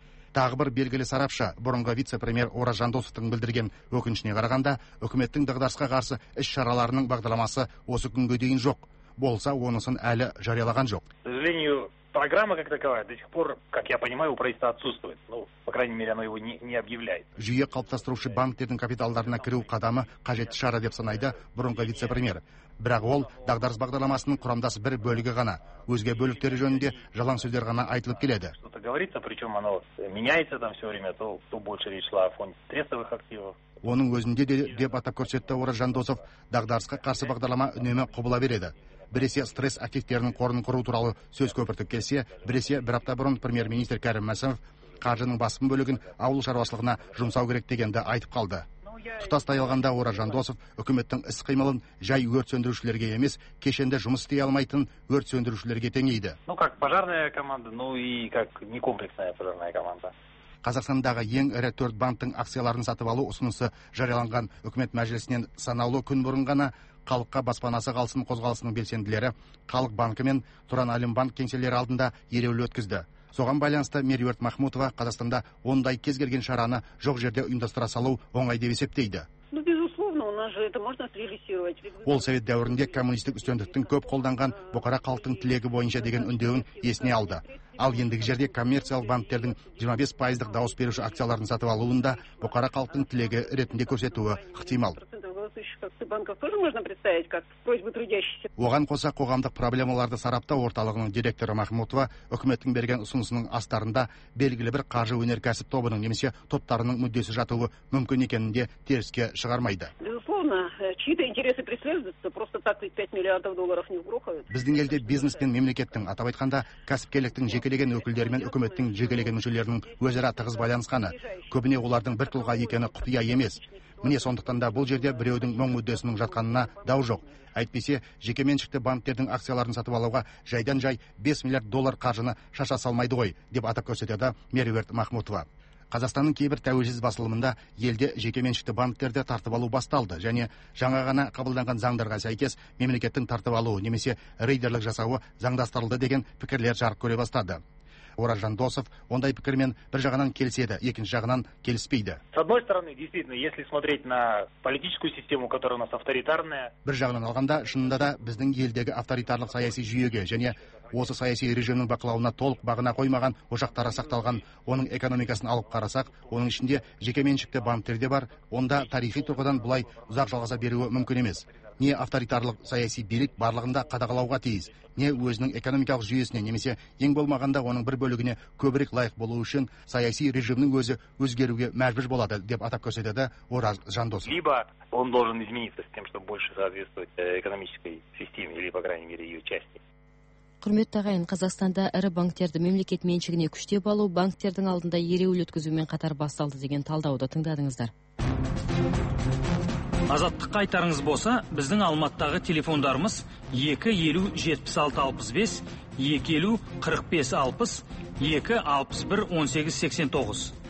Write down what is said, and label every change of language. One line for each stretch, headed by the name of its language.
Kazakh: Тағы бір белгілі сарапшы, бұрынғы вице-премьер Ораз Жандосовтың білдірген өкінішіне қарағанда, үкіметтің дағдарысқа қарсы іс-шараларының бағдарламасы осы күнге дейін жоқ. Болса, онысын әлі жариялаған жоқ.
Russian: Сожалению, программа как таковая до сих пор, как я понимаю, у правительства отсутствует. Ну, по крайней мере, оно его не объявляет.
Kazakh: Жүйе қалыптастырушы банктердің капиталдарына кіру қадамы қажетті шара деп санайды бұрынғы вице-премьер. Бірақ ол дағдарыс бағдарламасының құрамдасы бір бөлігі ғана, өзге бөліктері жөнінде жалаң сөздер ғана айтылып келеді.
Russian: Говорится, причем оно меняется там все время, то больше речь шла о фонде стрессовых активов.
Kazakh: Оның өзінде де деп атап көрсетті Ораз Жандосов, дағдарысқа қарсы бағдарлама үнемі құбыла береді. Біресе стресс активтерінің қорын құру туралы сөз көпіртіп келсе, біресе бір апта бұрын премьер-министр Кәрім Мәсімов қаржының басым бөлігін ауыл шаруашылығына жұмсау керек дегенді айтып қалды. Тұтастай алғанда Ораз Жандосов үкіметтің іс-қимылын жай өрт сөндірушілерге емес, кешенді жұмыс істей алмайтын өрт сөндірушілерге теңейді.
Russian: Ну, как пожарная команда, ну и как некомплексная пожарная команда.
Kazakh: Қазақстандағы ең ірі 4 банктің акцияларын сатып алу ұсынысы жарияланған үкімет мәжілісінен саналы күн бұрын ғана халыққа баспанасы қалсын қозғалысының белсенділері Халық банкі мен Тұран Алим банк кеңселері алдында ереуіл өткізді. Соған байланысты Меруерт Махмутова Қазақстанда ондай кез келген шараны жоқ жерде ұйымдастыра салу оңай деп есептейді. Ол совет дәуірінде коммунистік үстемдіктің көп қолданған бұқара халықтың тілегі бойынша деген үндеуін есіне алды. Ал ендігі жерде коммерциялық банктердің 25%-дық дауыс беруші акцияларын сатып алуында бұқара халықтың тілегі ретінде көрсетуі ықтимал. Оған қоса қоғамдық проблемаларды сараптау орталығының директоры Махмутова үкіметтің берген ұсынысының астарында белгілі бір қаржы өнеркәсіп тобының немесе топтарының мүддесі жатуы мүмкін екенін де теріске шығармайды.
Russian: Чьи-то интересы преследуются, просто так 5 миллиардов долларов не угрохают.
Kazakh: Біздің елде бизнес пен мемлекеттің, атап айтқанда, кәсіпкерліктің жекелеген өкілдері мен үкіметтің жекелеген мүшелерінің өзара тығыз байланысқаны, көбіне олардың бір тұлға екені құпия емес. Міне сондықтан да бұл жерде біреудің мұң мүддесінің жатқанына дау жоқ. Әйтпесе, жекеменшікті банктердің акцияларын сатып алуға жайдан жай 5 миллиард доллар қаржыны шаша салмайды ғой, деп атап көрсетеді Меруерт Махмутова. Қазақстанның кейбір тәуелсіз басылымында елде жекеменшікті банктерді тартып алу басталды және жаңа ғана қабылданған заңдарға сәйкес мемлекеттің тартып алуы немесе рейдерлік жасауы заңдастырылды деген пікірлер жарық көре бастады. Ораз Жандосов ондай пікірмен бір жағынан келседі, екінші жағынан келіспейді.
Russian: С одной стороны, действительно, если смотреть на политическую систему, которая у нас авторитарная,
Kazakh: бір жағынан алғанда, шынында да біздің елдегі авторитарлық саяси жүйеге және осы саяси режимнің бақылауына толық бағына қоймаған ошақтары сақталған, оның экономикасын алып қарасақ, оның ішінде жекеменшікті банктер де бар, онда тарихи тұрғыдан бұлай ұзақ жалғаса беруі мүмкін емес. Не авторитарлық саяси билік барлығында қадағалауға тиіс, не өзінің экономикалық жүйесіне немесе ең болмағанда оның бір бөлігіне көбірек лайық болу үшін саяси режимнің өзі өзгеруге мәжбүр болады деп атап көрсетеді Ораз Жандосов.
Russian: Либо он должен измениться с тем, чтобы больше соответствовать экономической системе или, по крайней мере, её части.
Kazakh: Құрметті ағайын, Қазақстанда ірі банктерді мемлекет меншігіне күштеп алу банктердің алдында ереуіл өткізумен қатар басталды деген талдауды тыңдадыңыздар. Азаттыққа айтарыңыз болса, біздің Алматыдағы телефондарымыз 250-76-65, 250-45-60, 261-18-89.